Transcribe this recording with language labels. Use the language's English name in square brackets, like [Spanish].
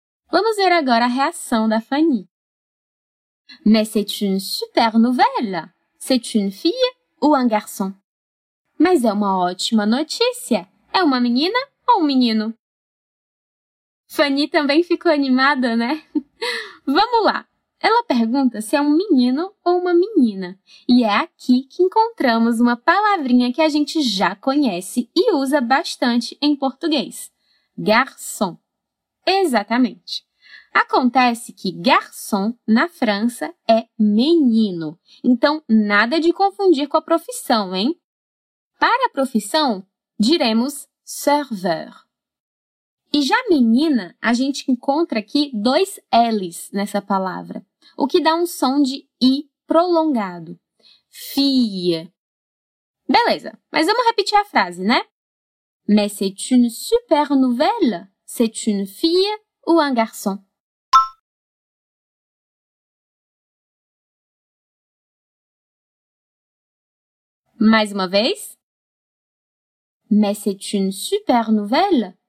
[Portuguese] Vamos ver agora a reação da Fanny. [French] Mais c'est une super nouvelle! C'est une fille ou un garçon? [Portuguese] Mas é uma ótima notícia! É uma menina ou um menino? Fanny também ficou animada, né? Vamos lá! Ela pergunta se é um menino ou uma menina. E é aqui que encontramos uma palavrinha que a gente já conhece e usa bastante em português. Garçon. Exatamente! Acontece que garçon, na França, é menino. Então, nada de confundir com a profissão, hein? Para a profissão, diremos serveur. E já menina, a gente encontra aqui dois L's nessa palavra, o que dá um som de I prolongado. Fille. Beleza, mas vamos repetir a frase, né? [French] Mais c'est une super nouvelle? C'est une fille ou un garçon? [Portuguese] Mais uma vez. [French] Mais c'est une super nouvelle?